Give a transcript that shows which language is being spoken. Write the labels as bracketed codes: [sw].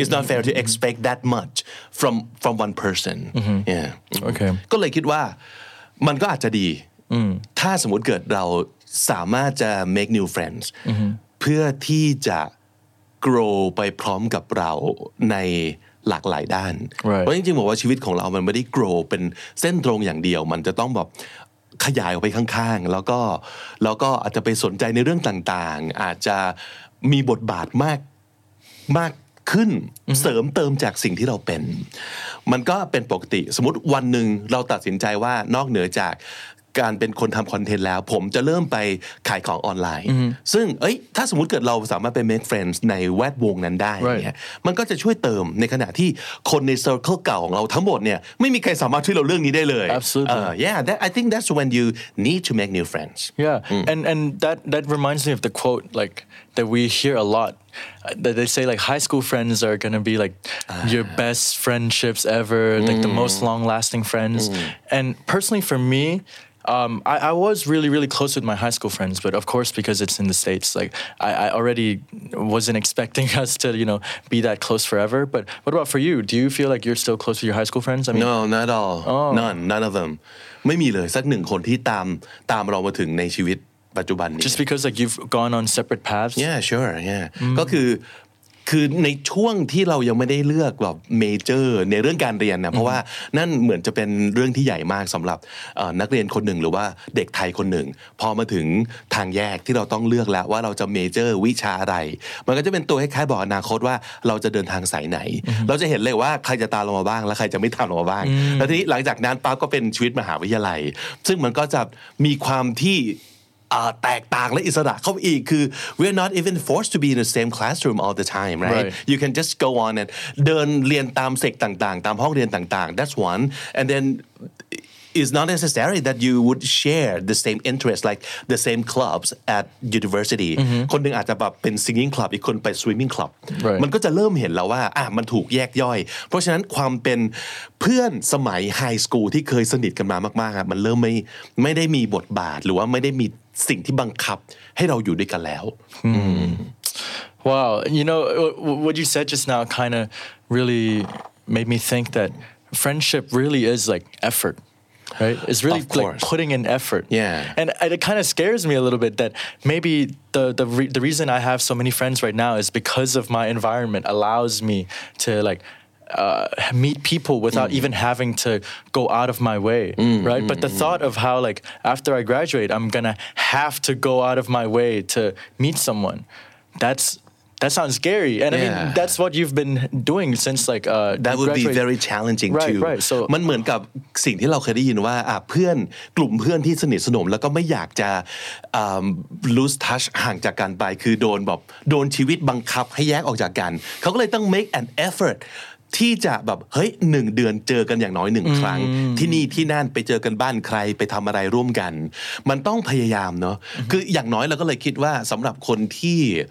[en] It's not fair to expect that much from one person. Mm-hmm. Yeah. Okay. [th] ก็เลยคิดว่ามันก็อาจจะดีถ้าสมมุติเกิดเราสามารถจะ [en] make new friends [th] เพื่อที่จะ grow ไปพร้อมกับเราในหลากหลายด้านเพราะจริงๆบอกว่าชีวิตของเรามันไม่ได้ grow เป็นเส้นตรงอย่างเดียวมันจะต้องแบบ ขยายออกไปข้างๆแล้วก็อาจจะไปสนใจในเรื่องต่างๆอาจจะมีบทบาทมากขึ้นเสริมเติมจากสิ่งที่เราเป็นมันก็เป็นปกติสมมติวันหนึ่งเราตัดสินใจว่านอกเหนือจากการเป็นคนทำคอนเทนต์แล้วผมจะเริ่มไปขายของออนไลน์ ซึ่งเอ้ยถ้าสมมติเกิดเราสามารถไป [en] make friends [th] ในแวดวงนั้นได้เนี่ยมันก็จะช่วยเติมในขณะที่คนใน circle เก่าของเราทั้งหมดเนี่ยไม่มีใครสามารถช่วยเราเรื่องนี้ได้เลย [en] absolutely I think that's when you need to make new friends and that reminds me of the quote like that we hear a lot that they say like high school friends are gonna be like your best friendships ever like the most long lasting friends and personally for meme I was really, really close with my high school friends, but of course, because it's in the States, like I already wasn't expecting us to, you know, be that close forever. But what about for you? Do you feel like you're still close with your high school friends? I mean, no, not at all. Oh. None of them. [th] ไม่มีเลยสักหนึ่งคนที่ตามเรามาถึงในชีวิตปัจจุบันนี้ [en] Just because like you've gone on separate paths. Yeah, sure. Yeah. [th] ก็คือในช่วงที่เรายังไม่ได้เลือกแบบเมเจอร์ในเรื่องการเรียนนะเพราะว่านั่นเหมือนจะเป็นเรื่องที่ใหญ่มากสำหรับ นักเรียนคนหนึ่งหรือว่าเด็กไทยคนหนึ่งพอมาถึงทางแยกที่เราต้องเลือกแล้วว่าเราจะเมเจอร์วิชาอะไรมันก็จะเป็นตัวคล้ายๆบอกอนาคตว่าเราจะเดินทางสายไหนเราจะเห็นเลยว่าใครจะตามเรามาบ้างและใครจะไม่ตามเรามาบ้างแล้วทีนี้หลังจากนั้นปั๊บก็เป็นชีวิตมหาวิทยาลัยซึ่งมันก็จะมีความที่แตกต่างและอิสระเข้าไปอีกคือ [en] we're not even forced to be in the same classroom all the time right? You can just go on and [th] เดินเรียนตามเซกต่างๆตามห้องเรียนต่างๆ [en] that's one and then it's not necessary that you would share the same interest like the same clubs at university [th] คนหนึ่งอาจจะแบบเป็น [en] singing club [th] อีกคนไป [en] swimming club [th] มันก็จะเริ่มเห็นแล้วว่ามันถูกแยกย่อยเพราะฉะนั้นความเป็นเพื่อนสมัย high school ที่เคยสนิทกันมามากๆมันเริ่มไม่ได้มีบทบาทหรือว่าไม่ได้มีสิ่งที่บังคับให้เราอยู่ด้วยกันแล้ว [en] Wow, you know what you said just now kind of really made me think that friendship really is like effort, right? It's really like putting in effort. Yeah, and it kind of scares me a little bit that maybe the reason I have so many friends right now is because of my environment allows me to likemeet people without even having to go out of my way, right? But the thought of how, like, after I graduate, I'm gonna have to go out of my way to meet someone, that sounds scary. And yeah. I mean, that's what you've been doing since, like, that would graduate. Be very challenging, right, too. Right, right. So, [th] มันเหมือนกับสิ่งที่เราเคยได้ยินว่าเพื่อนกลุ่มเพื่อนที่สนิทสนมแล้วก็ไม่อยากจะ [en] lose touch [th] ห่างจากกันไปคือโดนชีวิตบังคับให้แยกออกจากกันเขาก็เลยต้อง [en] make an effort [th] ที่จะแบบเฮ้ย1เดือนเจอกันอย่างน้อย1ครั้งที่นี่ที่นั่นไปเจอกันบ้านใครไปทําอะไรร่วมกันมันต้องพยายามเนาะคืออย่างน้อยเราก็เลยคิดว่าสําหรับคนที่